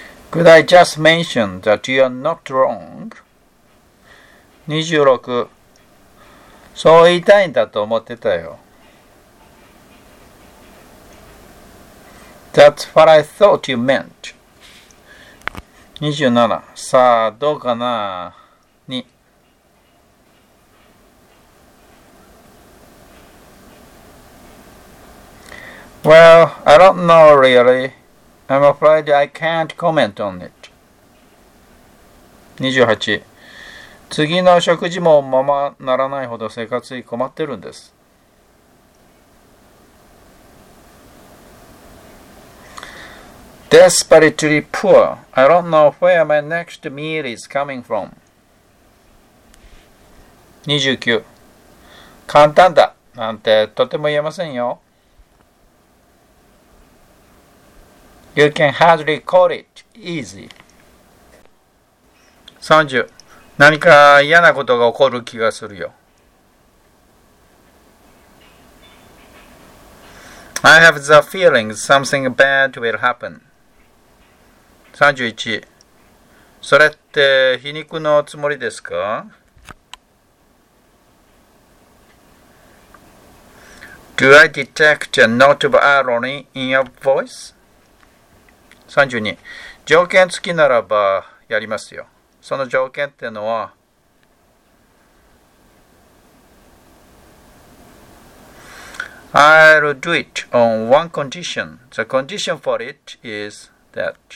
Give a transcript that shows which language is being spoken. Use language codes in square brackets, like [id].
[en] Could I just mention that you are not wrong? 26. [ja] そう言いたいんだと思ってたよ。 [en] That's what I thought you meant. 27. [ja] さあ、どうかな?に。 [en] Well, I don't know really. I'm afraid I can't comment on it. 28. [ja] 次の食事もままならないほど生活に困ってるんです。 [en] Desperately poor. I don't know where my next meal is coming from. 29. [ja] 簡単だなんてとても言えませんよ。 [en] You can hardly call it easy. 30. [ja] 何か嫌なことが起こる気がするよ。 [en] I have the feeling something bad will happen. 31. [ja] それって皮肉のつもりですか? [en] Do I detect a note of irony in your voice? 32. [ja] 条件付きならばやりますよ。その条件ってのは [en] I'll do it on one condition. The condition for it is that...